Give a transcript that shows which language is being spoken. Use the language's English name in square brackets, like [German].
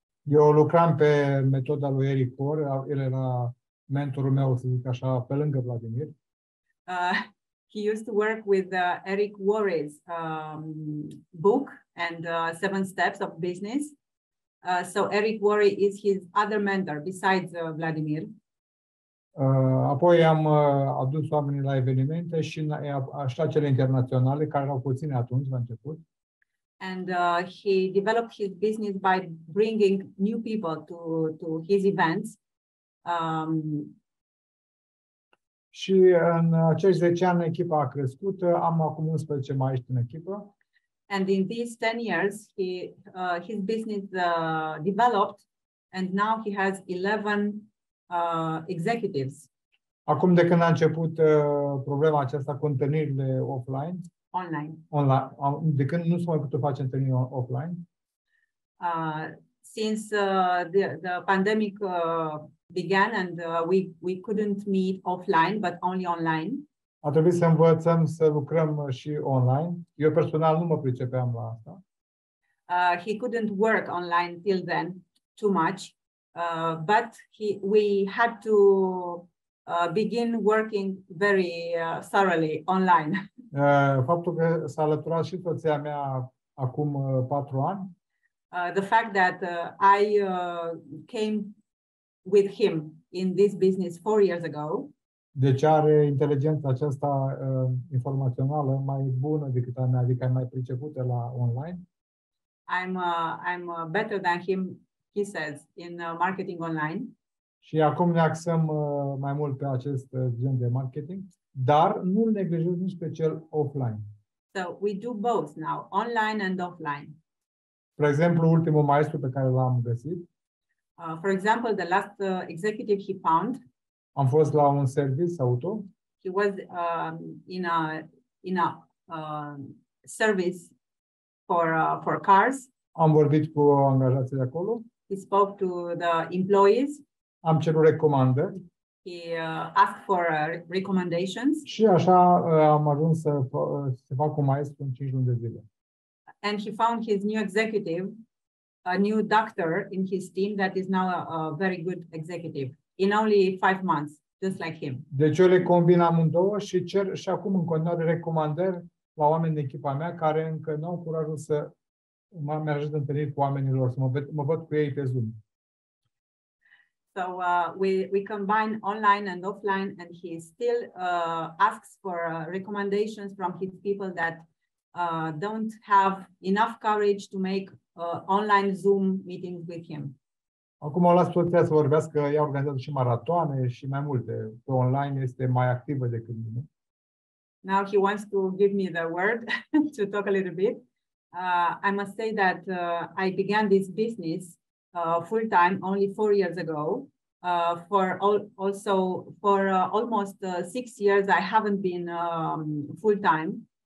[Romanian] Eu lucram pe metoda lui Eric Cor, el era mentorul meu, să zic așa, pe lângă Vladimir. [English] He used to work with Eric Worre's book and 7 steps of business. So Eric Worre is his other mentor besides Vladimir. [Romanian] Apoi am adus oamenii la evenimente și așa cele internaționale care erau puține atunci la început. [English] And he developed his business by bringing new people to his events. [Romanian] Și în acești 10 ani echipa a crescut, am acum 11 mai ești în echipă. [English] And in these 10 years his business developed and now he has 11 executives. [Romanian] Acum de când a început problema aceasta cu întâlnirile offline? [English] Online. [Romanian] De când nu s-a mai putut face întâlniri offline? [English] Since the pandemic began and we couldn't meet offline but only online. [Romanian] A trebuit să învățăm să lucrăm și online. Eu personal nu mă pricepeam la asta. [English] He couldn't work online till then too much. But we had to begin working very thoroughly online. [Romanian] Faptul că s-a alăturat și soția mea acum 4 ani. [English] The fact that I came with him in this business 4 years ago. [Romanian] Deci are inteligența aceasta informațională mai bună decât a mea, adică mai pricepută la online. [English] I'm better than him. He says, in marketing online. [Romanian] Și acum ne axăm mai mult pe acest gen de marketing, dar nu-l neglijez nici pe cel offline. [English] So we do both now, online and offline. [Romanian] Spre exemplu, ultimul maestru pe care l-am găsit. [English] For example, the last executive he found. [Romanian] Am fost la un service auto. [English] He was in a service for cars. [Romanian] Am vorbit cu angajații de acolo. [English] He spoke to the employees. [Romanian] Am cerut recomandări. [English] He asked for recommendations. [Romanian] Și așa am ajuns să fac un maestru în 5 luni de zile. [English] And he found his new executive, a new doctor in his team that is now a very good executive in only 5 months, just like him. [Romanian] Deci eu le combin amândouă și cer și acum în continuare recomandări la oameni din echipa mea care încă nu au curajul să mă ajută întâlnit cu oamenii lor, să mă văd cu ei pe Zoom. [English] So we combine online and offline, and he still asks for recommendations from his people that don't have enough courage to make online Zoom meetings with him. [Romanian] Acum o las puterea să vorbească, ea a organizat și maratoane și mai multe. Pe online este mai activă decât mine. [English] Now he wants to give me the word to talk a little bit. I must say that I began this business full time only 4 years ago. Almost 6 years, I haven't been full time.